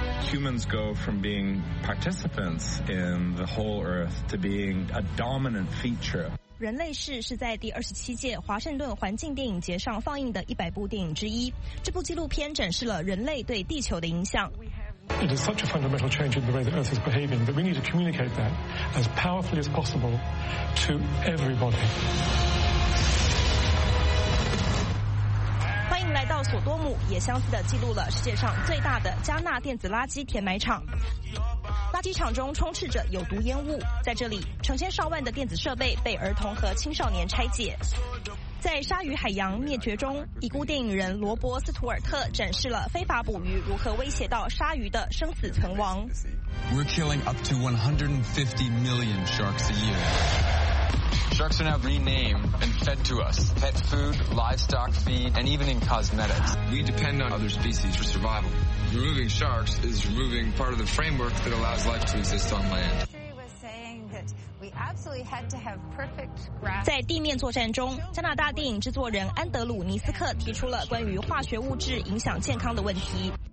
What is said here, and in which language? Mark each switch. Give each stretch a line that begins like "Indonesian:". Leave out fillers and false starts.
English: Humans go from being participants in the whole Earth to being a dominant feature。
Chinese: 人类世是在第27届华盛顿环境电影节上放映的100部电影之一。这部纪录片展示了人类对地球的影响。
English: It is such a fundamental change in the way that Earth is behaving that we need to communicate that as powerfully as possible to everybody.
Chinese: 欢迎来到索多姆，也相似地记录了世界上最大的加纳电子垃圾填埋场。垃圾场中充斥着有毒烟雾，在这里，成千上万的电子设备被儿童和青少年拆解。在鲨鱼海洋灭绝中，已故电影人罗伯·斯图尔特展示了非法捕鱼如何威胁到鲨鱼的生死存亡。
English: We're killing up to 150 million sharks a year. Sharks are now renamed and fed to us. Pet food, livestock feed, and even in cosmetics. We depend on other species for survival. Removing sharks is removing part of the framework that allows life to exist on land.
Chinese: 在地面作战中，加拿大电影制作人安德鲁·尼斯克提出了关于化学物质影响健康的问题。